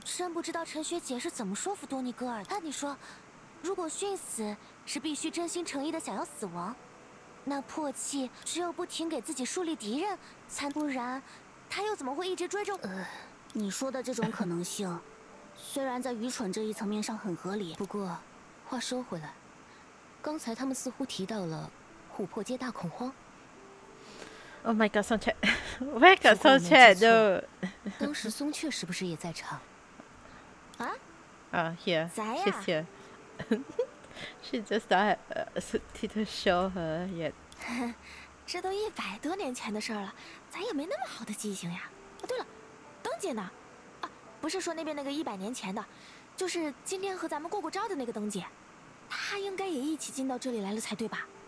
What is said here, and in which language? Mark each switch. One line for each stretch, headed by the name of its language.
Chinese: 真不知道陈学姐是怎么说服多尼戈尔的。那你说，如果殉死是必须真心诚意的想要死亡，那破气只有不停给自己树立敌人，才不然他又怎么会一直追着我？你说的这种可能性虽然在愚蠢这一层面上很合理，不过话说回来，刚才他们似乎提到了琥珀街大恐慌。
English: Oh my god, Songchat, Where got Songchat though?
Chinese: 当时松雀是不是也在场啊？
English: here,
Chinese: 在呀，谢谢。
English: She just died, didn't show her yet.
Chinese: 这都一百多年前的事了，咱也没那么好的记性呀。啊，对了，灯姐呢？啊，不是说那边那个一百年前的，就是今天和咱们过过招的那个灯姐，她应该也一起进到这里来了才对吧？